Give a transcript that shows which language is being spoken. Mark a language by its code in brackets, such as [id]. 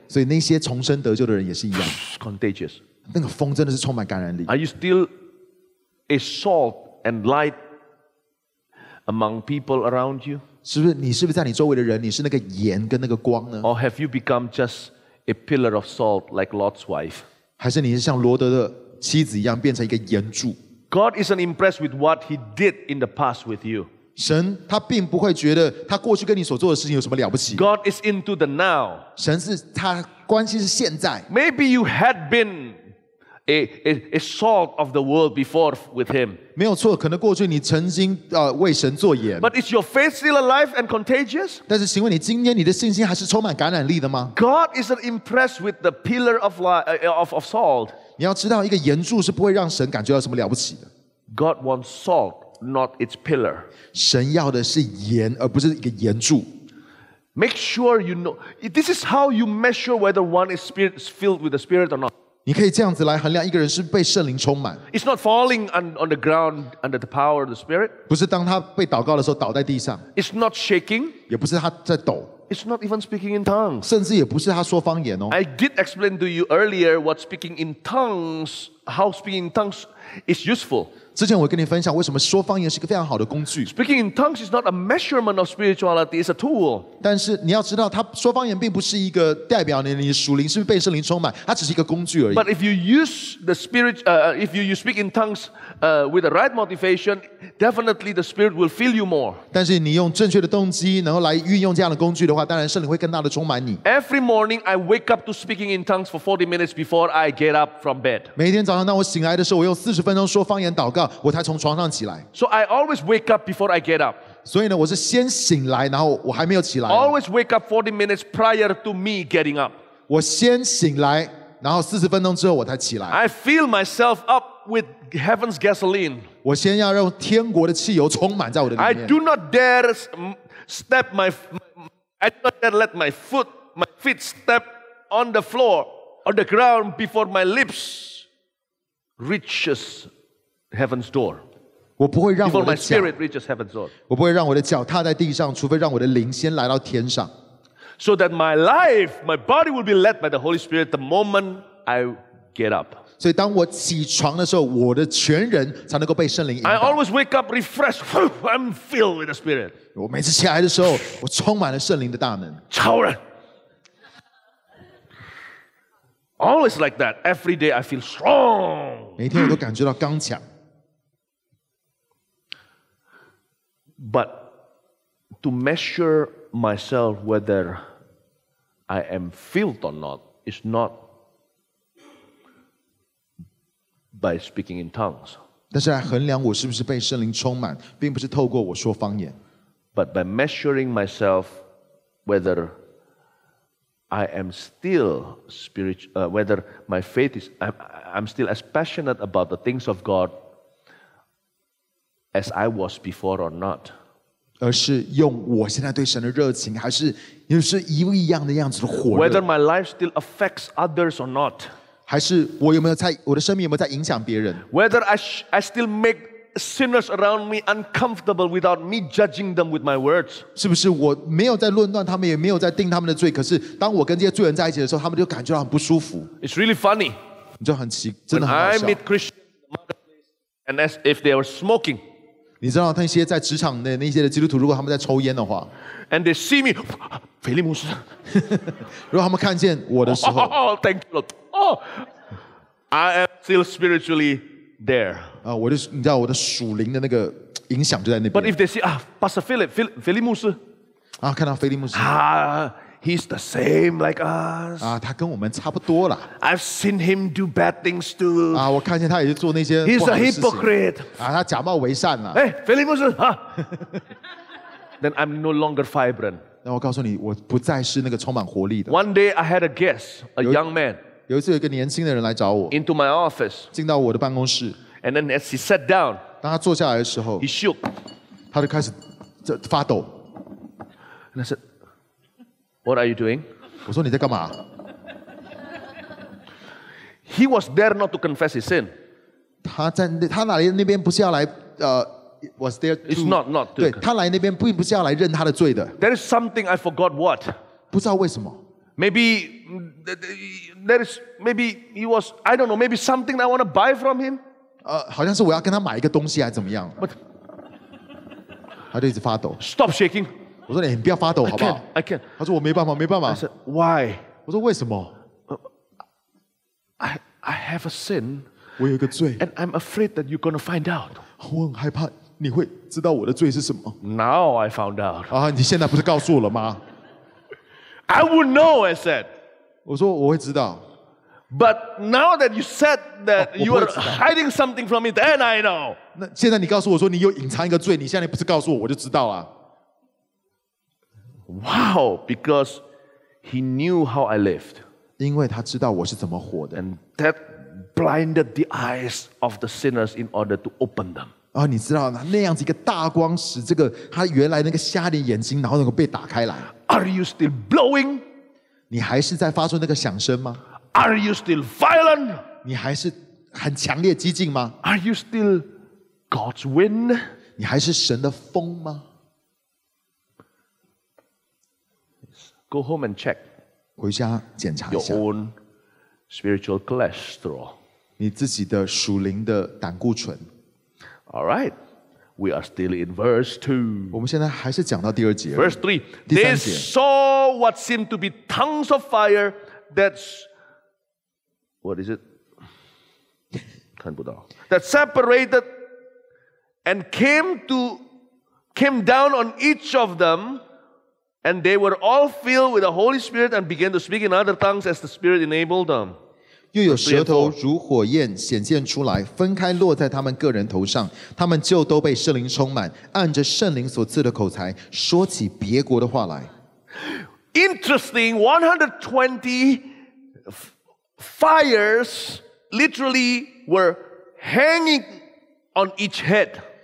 [zh] 所以那些重生得救的人也是一样。 [en] Contagious. [zh] 那个风真的是充满感染力。 [en] Are you still a salt and light among people around you? [zh] 是不是你是不是在你周围的人，你是那个盐跟那个光呢？ [en] Or have you become just a pillar of salt like Lot's wife? [zh] 还是你是像罗德的妻子一样变成一个盐柱？ [en] God isn't impressed with what He did in the past with you. [zh] 神他并不会觉得他过去跟你所做的事情有什么了不起。 [en] God is into the now. [zh] 神是他关心是现在。 [en] Maybe you had been a salt of the world before with Him. [zh] 没有错，可能过去你曾经为神做盐。 [en] But is your faith still alive and contagious? [zh] 但是请问你今天你的信心还是充满感染力的吗？ [en] God isn't impressed with the pillar of salt. [zh] 你要知道，一个盐柱是不会让神感觉到什么了不起的。 [en] God wants salt, not its pillar. [zh] 神要的是盐，而不是一个盐柱。 [en] Make sure you know. This is how you measure whether one is filled with the Spirit or not. [zh] 你可以这样子来衡量一个人是被圣灵充满。 [en] It's not falling on the ground under the power of the Spirit. [zh] 不是当他被祷告的时候倒在地上。 [en] It's not shaking. [zh] 也不是他在抖。 [en] It's not even speaking in tongues. [zh] 甚至也不是他说方言哦。 [en] I did explain to you earlier what speaking in tongues, how speaking in tongues is useful. [zh] 之前我跟你分享为什么说方言是一个非常好的工具。 [en] Speaking in tongues is not a measurement of spirituality; it's a tool. [zh] 但是你要知道，他说方言并不是一个代表你的属灵是不是被圣灵充满，它只是一个工具而已。 [en] But if you use the spirit, if you speak in tongues, with the right motivation, definitely the spirit will fill you more. [zh] 但是你用正确的动机，然后来运用这样的工具的话，当然圣灵会更大的充满你。 [en] Every morning, I wake up to speaking in tongues for 40 minutes before I get up from bed. [zh] 每天早上当我醒来的时候，我用40分钟说方言祷告。我才从床上起来。 [en] So I always wake up before I get up. [zh] 所以呢，我是先醒来，然后我还没有起来。 [en] Always wake up 40 minutes prior to me getting up. [zh] 我先醒来，然后40分钟之后我才起来。 [en] I fill myself up with heaven's gasoline. [zh] 我先要让天国的汽油充满在我的里面。 [en] I do not dare step my I do not dare let my feet step on the floor on the ground before my lips reachesHeaven's door. [zh] 我不会让我的 [en] 脚 Before my spirit reaches heaven's door. [zh] 我不会让我的脚踏在地上，除非让我的灵先来到天上。 [en] So that my life, my body will be led by the Holy Spirit the moment I get up. [zh] 所以当我起床的时候，我的全人才能够被圣灵引导。 [en] I always wake up refreshed. I'm filled with the Spirit. [zh] 我每次起来的时候，我充满了圣灵的大能。超人。 [en] Always like that. Every day I feel strong. [zh] 每天我都感觉到刚强。 [en] But to measure myself whether I am filled or not is not by speaking in tongues. [zh] 但是来衡量我是不是被圣灵充满，并不是透过我说方言。 [en] But by measuring myself whether I am still spiritual, whether my faith is, I'm still as passionate about the things of God as I was before or not. [zh] 而是用我现在对神的热情，还是又是一不一样的样子的火热 [en] ？Whether my life still affects others or not， [zh] 还是我有没有在我的生命有没有在影响别人 [en] ？Whether I still make sinners around me uncomfortable without me judging them with my words， [zh] 是不是我没有在论断他们，也没有在定他们的罪？可是当我跟这些罪人在一起的时候，他们就感觉到很不舒服。 [en] It's really funny， [zh] 你就很奇，真的很好笑。 [en] When I meet Christians and as if they were smoking。 [zh] 你知道那些在职场的那些的基督徒，如果他们在抽烟的话 [en] ，And they see me， 菲利姆斯。 [zh] 如果他们看见我的时候 [en] ，Thank you Lord， I am still spiritually there。 [zh] 啊，我就你知道我的属灵的那个影响就在那边。 [en] But if they see Pastor Philip， 菲利姆斯， [zh] 啊，看到菲利姆斯， [en] He's the same like us。 [zh] 啊，他跟我们差不多了。 [en] I've seen him do bad things too。 [zh] 啊，我看见他也是做那些。 [en] He's a hypocrite。 [zh] 啊，他假冒为善了。哎 ，Philip 牧师啊。 [en] Then I'm no longer vibrant。 [zh] 那我告诉你，我不再是那个充满活力的。 [en] One day I had a guest, a young man。 [zh] 有一次有一个年轻的人来找我。 [en] Into my office。 [zh] 进到我的办公室。 [en] And then as he sat down。 [zh] 当他坐下来的时候。 [en] He shook。 [zh] 他就开始发抖。 [en] And I said,What are you doing? [zh] 我说你在干嘛 [en] ？He was there not to confess his sin. [zh] 他哪里那边不是要来 [en] was there? To, It's not to. [zh] 对他来那边并不是要来认他的罪的。 [en] There is something I forgot what. [zh] 不知道为什么。 [en] Maybe he was I don't know. Maybe something I want to buy from him. [zh] 好像是我要跟他买一个东西还怎么样 [en] ？But [zh] 他就一直发抖。 [en] Stop shaking. [zh] 我说你不要发抖好不好 [en] I can. [zh] 他说我没办法没办法 [en] I said why [zh] 我说为什么 [en] I have a sin [zh] 我有一个罪 [en] And I'm afraid that you're going to find out [zh] 我很害怕你会知道我的罪是什么 [en] Now I found out [zh] 啊，你现在不是告诉我了吗 [en] I would know I said [zh] 我说我会知道 [en] But now that you said that you are hiding something from me then I know [zh] 那现在你告诉我说你又隐藏一个罪你现在不是告诉我我就知道了 [en] Wow, because he knew how I lived. [zh] 因为他知道我是怎么活的。 [en] And that blinded the eyes of the sinners in order to open them. [zh] 哦，你知道那样子一个大光使这个他原来那个瞎的眼睛，然后能够被打开来。 [en] Are you still blowing? [zh] 你还是在发出那个响声吗 [en] Are you still violent? [zh] 你还是很强烈激进吗？ [en] Are you still God's wind? [zh] 你还是神的风吗？ [en] Go home and check. [zh] 回家检查一下。 [en] Your own spiritual cholesterol. [zh] 你自己的属灵的胆固醇。 [en] All right. We are still in verse 2. [zh] 我们现在还是讲到第二节。 [en] Verse 3. They saw what seemed to be tongues of fire. That's... What is it? [zh] 看不到。 [en] That separated and came down on each of them. And they were all filled with the Holy Spirit and began to speak in other tongues as the Spirit enabled them. [zh] 又有舌头如火焰显现出来，分开落在他们个人头上，他们就都被圣灵充满，按着圣灵所赐的口才说起别国的话来。 [en] Interesting, 120 fires literally were hanging on each head.